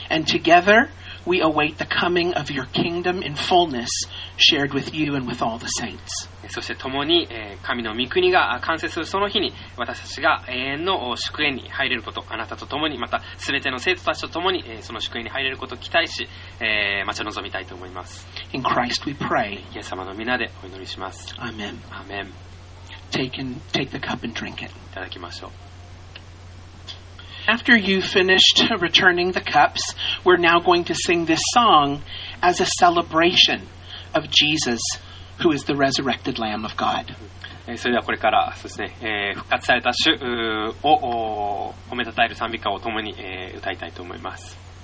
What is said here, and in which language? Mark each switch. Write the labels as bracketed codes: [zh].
[en] And together,We await the coming of your kingdom in fullness, shared with you and with all the saints. [ja] そして共に神の御国が完成するその日に私たちが永遠の祝宴に入れること、あなたと共にまた全ての生徒たちと共にその祝宴に入れることを期待し、待ち望みたいと思います。 [en] In Christ we pray. [ja] イエス様の皆でお祈りします。 [en] Amen. Amen. Take the cup and drink it. [ja] いただきましょう。 [en] After you finished returning the cups, we're now going to sing this song as a celebration of Jesus, who is the resurrected Lamb of God. [ja] それではこれからそうですね、復活された主を褒めたたえる賛美歌を共に、歌いたいと思います。